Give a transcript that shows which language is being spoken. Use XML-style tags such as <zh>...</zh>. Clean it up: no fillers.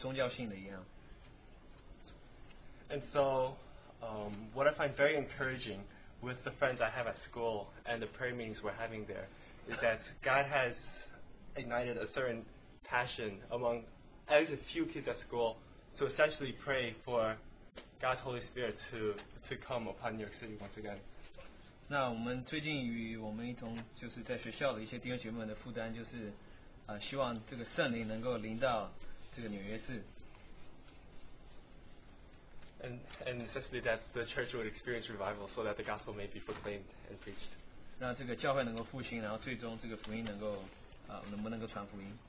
<zh>那如果我发现到最近，就是我发现到，如果没有圣灵这么做工的话，我们好像如果你的形式做的任何事情，感觉像好像是一个宗教性的一样。</zh> <en>And so, what I find very encouraging with the friends I have at school and the prayer meetings we're having there is that God has ignited a certain passion among at least a few kids at school to essentially pray for God's Holy Spirit to come upon New York City once again.</en> <zh>那我们最近与我们一同就是在学校的一些弟兄姐妹们的负担就是，希望这个圣灵能够临到这个纽约市。</zh> <en>And essentially that the church would experience revival so that the gospel may be proclaimed and preached.</en> <zh>让这个教会能够复兴，然后最终这个福音能够，能不能够传福音？</zh>